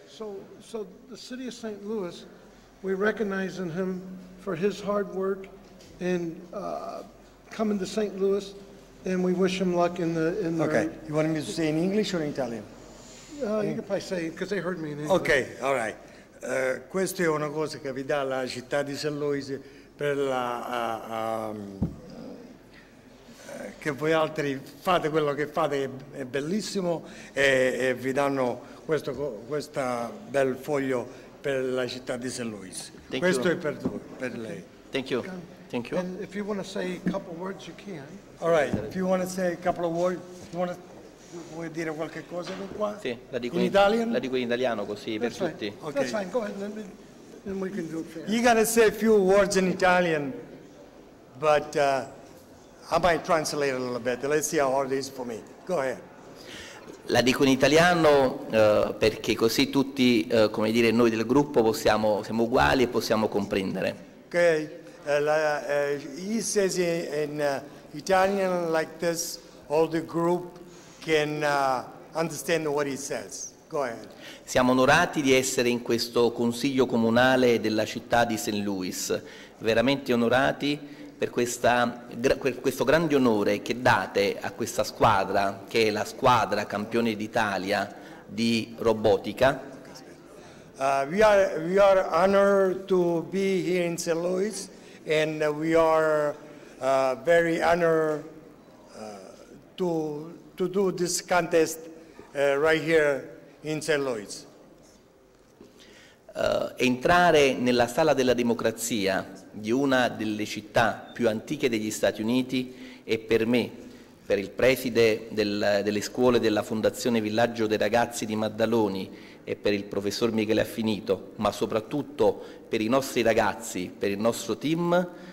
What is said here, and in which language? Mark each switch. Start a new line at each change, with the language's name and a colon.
English: So the city of St. Louis, we're recognizing him for his hard work in coming to St. Louis, and we wish him luck in the. Okay, you want me to say in English or in Italian? You can probably say, because they heard me in English. Okay, all right.
Italian: Questo è una cosa che vi dà la città di San Luis. Per la che voi altri fate quello che fate è bellissimo e vi danno questo bel foglio per la città di San Luis.
English: Thank
Italian: questo
English: you.
Italian: È per okay. Lei.
English: Thank you. And if you want to say a couple of words, you can. All right. If you want to say a couple of words, you want to
Italian: vuoi dire qualche cosa di qua? Sì, la dico in italiano. La dico in italiano così
English: that's
Italian: per
English: fine.
Italian: Tutti.
English: Okay. That's fine. Go ahead. Let me... And we can do it fair. You gotta say a few words in Italian, but I might translate a little bit. Let's see how hard it is for me. Go ahead.
Italian: La dico in italiano perché così tutti, come dire, noi del gruppo possiamo siamo uguali e possiamo comprendere.
English: Okay. He says in Italian like this, all the group can understand what he says. Go ahead.
Italian: Siamo onorati di essere in questo consiglio comunale della città di St. Louis, veramente onorati per questo grande onore che date a questa squadra, che è la squadra campione d'Italia di robotica.
English: We are honored to be here in St. Louis and we are very honored to do this contest right here in St. Louis.
Italian: Entrare nella sala della democrazia di una delle città più antiche degli Stati Uniti è per me, per il preside delle scuole della Fondazione Villaggio dei Ragazzi di Maddaloni e per il professor Michele Affinito, ma soprattutto per i nostri ragazzi, per il nostro team,